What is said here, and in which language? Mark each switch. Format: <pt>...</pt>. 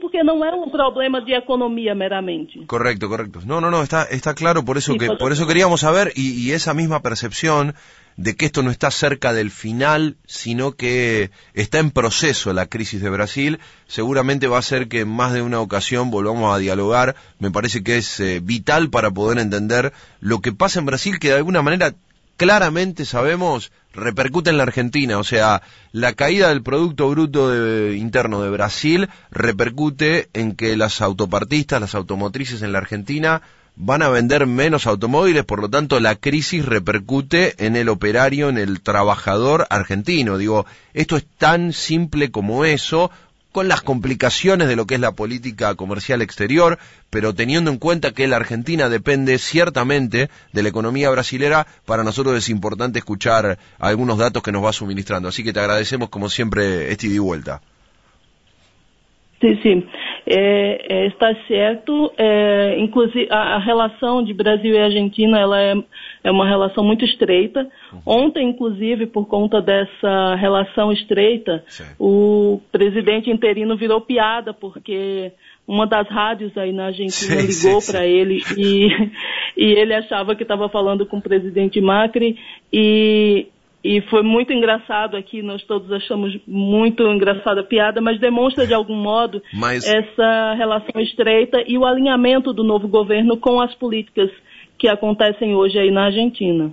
<pt>porque não é um problema de economia meramente.</pt> <es>Correcto, correcto. No, está claro, por eso, sí, que, por eso queríamos saber, y esa misma percepción de que esto no está cerca del final, sino que está en proceso la crisis de Brasil, seguramente va a ser que en más de una ocasión volvamos a dialogar. Me parece que es vital para poder entender lo que pasa en Brasil, que de alguna manera claramente sabemos repercute en la Argentina. O sea, la caída del Producto Bruto Interno de Brasil repercute en que las autopartistas, las automotrices en la Argentina van a vender menos automóviles, por lo tanto la crisis repercute en el operario, en el trabajador argentino. Digo, esto es tan simple como eso, con las complicaciones de lo que es la política comercial exterior, pero teniendo en cuenta que la Argentina depende ciertamente de la economía brasilera, para nosotros es importante escuchar algunos datos que nos va suministrando. Así que te agradecemos como siempre este ida y vuelta. Sí, sí.</es> <pt>Está certo, inclusive a relação de Brasil e Argentina ela é uma relação muito estreita. Ontem, inclusive, por conta dessa relação estreita, sim, o presidente interino virou piada, porque uma das rádios aí na Argentina, sim, ligou para ele e ele achava que estava falando com o presidente Macri e foi muito engraçado aqui, nós todos achamos muito engraçada a piada, mas demonstra de algum modo essa relação estreita e o alinhamento do novo governo com as políticas que acontecem hoje aí na Argentina.</pt>